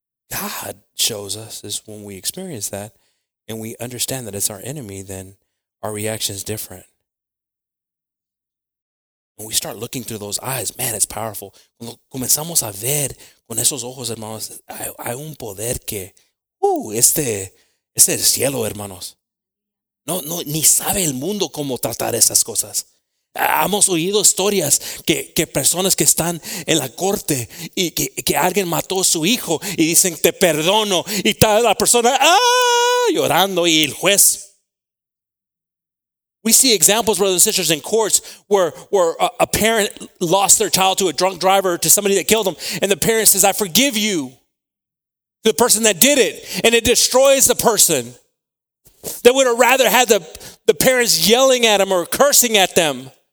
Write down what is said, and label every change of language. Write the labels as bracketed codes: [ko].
[en] God shows us is when we experience that and we understand that it's our enemy, then our reaction is different. When we start looking through those eyes, man, it's powerful. [es] Cuando comenzamos a ver con esos ojos, hermanos, hay un poder que, este es el cielo, hermanos. No, ni sabe el mundo cómo tratar esas cosas. Hemos oído historias que personas que están en la corte y que alguien mató a su hijo y dicen, te perdono. Y está la persona llorando y el juez. [en] We see examples, brothers and sisters, in courts where a parent lost their child to a drunk driver, to somebody that killed them. And the parent says, I forgive you, to the person that did it. And it destroys the person. They would have rather had the parents yelling at them or cursing at them.